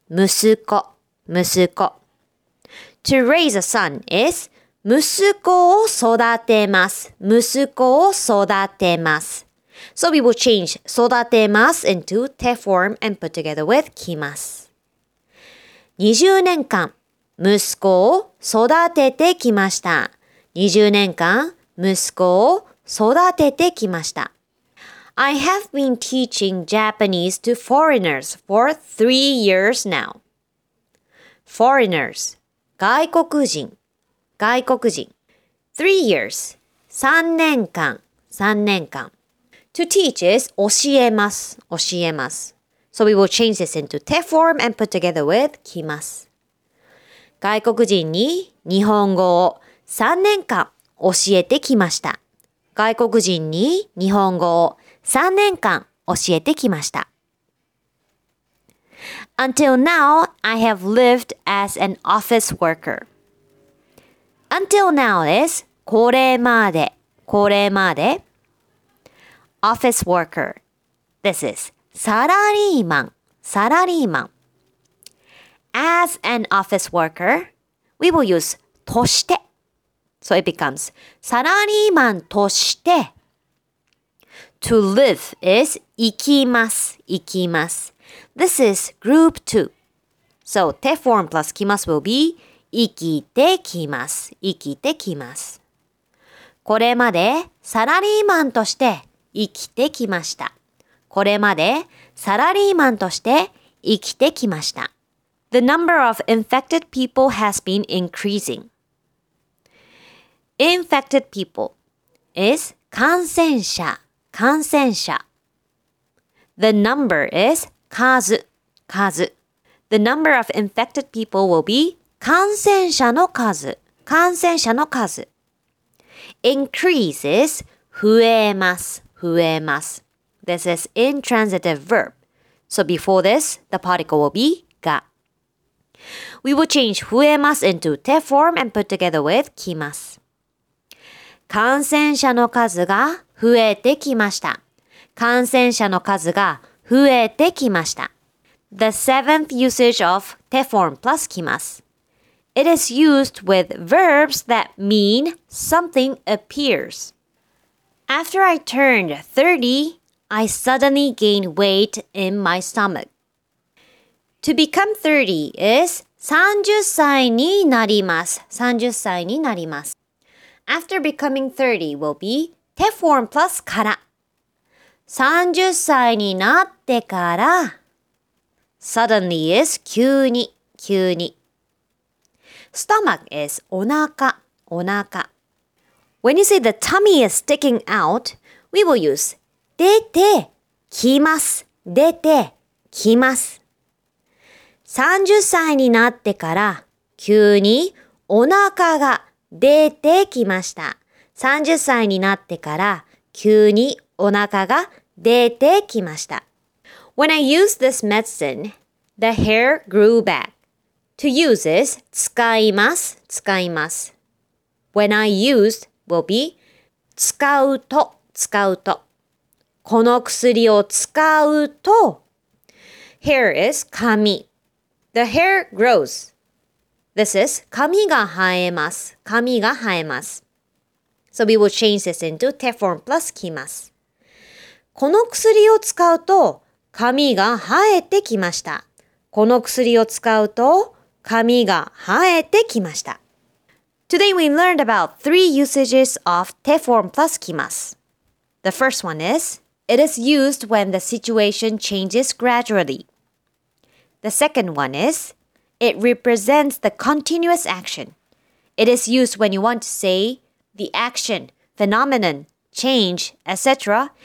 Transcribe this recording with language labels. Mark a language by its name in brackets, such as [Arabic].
[Japanese] 息子。息子。 To raise a son is 息子を育てます。息子を育てます。 [English] So we will change 育てます into te form and put together with [Japanese] きます。20年間。息子を育ててきました。20年間、息子を育ててきました。 [English] I have been teaching Japanese to foreigners for 3 years now. Foreigners, [Japanese] 外国人、外国人。 [English] 3 years, [Japanese] 三年間、三年間。 [English] To teach is 教えます、教えます。 So we will change this into te form and put together with kimasu. [Japanese] 外国人に日本語を3年間教えてきました。外国人に日本語を3年間教えてきました。 [English] Until now, I have lived as an office worker. Until now is これまで、これまで。 Office worker. This is [Japanese] サラリーマン、サラリーマン。 [English] As an office worker, we will use として。So it becomes [Japanese] サラリーマンとして。 [English] To live is 行きます、行きます。 This is group 2. So te form plus kimasu will be [Japanese] 生きてきます、生きてきます。これまでサラリーマンとして生きてきました。これまでサラリーマンとして生きてきました。 [English] The number of infected people has been increasing. Infected people is [Japanese] 感染者、感染者。 [English] The number is [Japanese] 数、数。 [English] The number of infected people will be [Japanese] 感染者の数、感染者の数。 [English] Increase is [Japanese] 増えます、増えます。 [English] This is intransitive verb. So before this, the particle will be が. We will change 増えます into te form and put together with きます。 [Japanese] 感染者の数が増えてきました。感染者の数が増えてきました。 [English] The seventh usage of te form plus きます。 It is used with verbs that mean something appears. After I turned 30, I suddenly gained weight in my stomach. To become 30 is [Japanese] 30歳になります。30歳になります。 [English] After becoming 30 will be te form plus から。 [Japanese] 30歳になってから。 [English] Suddenly is 急に、急に。Stomach is お腹、お腹。 When you say the tummy is sticking out, we will use [Japanese] 出てきます。出てきます。 30歳になってから、急にお腹が出てきました。 30歳になってから、急にお腹が出てきました。 [English] When I use this medicine, the hair grew back. To use is 使います、使います。 When I used will be [Japanese] 使うと、使うと。この薬を使うと。 [English] Hair is 髪。The hair grows. This is [Japanese] 髪が生えます。髪が生えます。 [English] So we will change this into te form plus きます。 [Japanese] この薬を使うと髪が生えてきました。この薬を使うと髪が生えてきました。 [English] Today we learned about three usages of te form plus kimasu. The first one is, it is used when the situation changes gradually. The second one is, it represents the continuous action. It is used when you want to say, the action, phenomenon, change, etc.